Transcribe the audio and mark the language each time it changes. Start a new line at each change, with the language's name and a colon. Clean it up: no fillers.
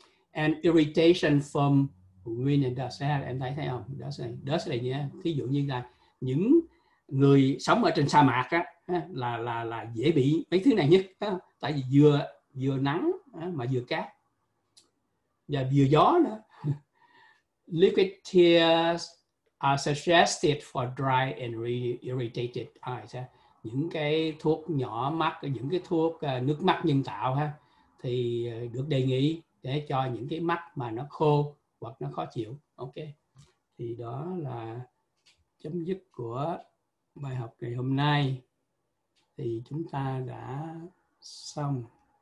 English: And irritation from wind and dust,
Vietnamese: em thấy thấy không? Dust này, dust này nha. Thí dụ như là những người sống ở trên sa mạc á, là dễ bị mấy thứ này nhất ha. Tại vì vừa vừa nắng mà vừa cát và vừa gió nữa.
English: Liquid tears are suggested for dry and irritated eyes.
Vietnamese: Những cái thuốc nhỏ mắt, những cái thuốc nước mắt nhân tạo ha, thì được đề nghị để cho những cái mắt mà nó khô hoặc nó khó chịu. Ok, thì đó là chấm dứt của bài học ngày hôm nay. Thì chúng ta đã xong.